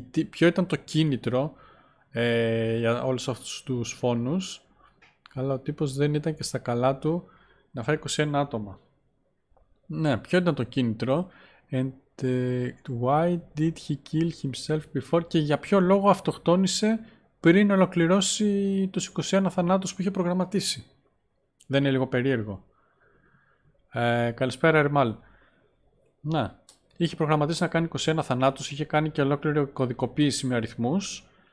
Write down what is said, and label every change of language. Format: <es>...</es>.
<el>Ποιο ήταν το κίνητρο για όλους αυτούς τους φόνους. Καλά, ο τύπος δεν ήταν και στα καλά του να φάει 21 άτομα. Ναι, ποιο ήταν το κίνητρο.</el> <en>And why did he kill himself before.</en> <el>Και για ποιο λόγο αυτοκτόνησε πριν ολοκληρώσει τους 21 θανάτους που είχε προγραμματίσει. Δεν είναι λίγο περίεργο. Καλησπέρα, Ερμάλ. Ναι. Είχε προγραμματίσει να κάνει 21 θανάτους, είχε κάνει και ολόκληρη κωδικοποίηση με αριθμούς.</el>